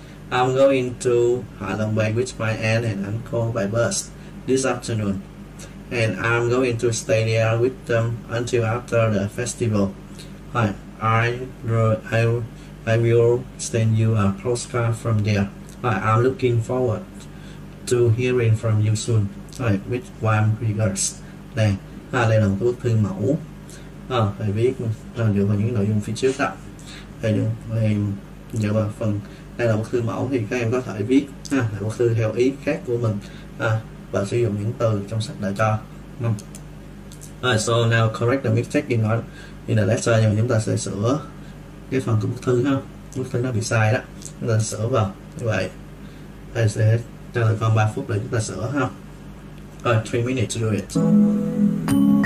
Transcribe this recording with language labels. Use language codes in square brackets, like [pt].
[en] I'm going to Hạ Long Bay with my aunt and uncle by bus this afternoon. And I'm going to stay there with them until after the festival. I will send you a postcard from there. I'm looking forward to hearing from you soon. With warm regards. [vi] Đây, đây là một bức thư mẫu. Phải viết dựa vào những nội dung phía trước đó. Thầy dựa vào phần đây là bức thư mẫu thì các em có thể viết là bức thư theo ý khác của mình và sử dụng những từ trong sách đã cho. [en] So now correct the mistake in the letter. [vi] Nhưng mà chúng ta sẽ sửa cái phần của bức thư ha. Bức thư nó bị sai đó. Chúng ta sẽ sửa vào như vậy. Thầy sẽ trả lời con 3 phút để chúng ta sửa ha. [en] 3 minutes to do it.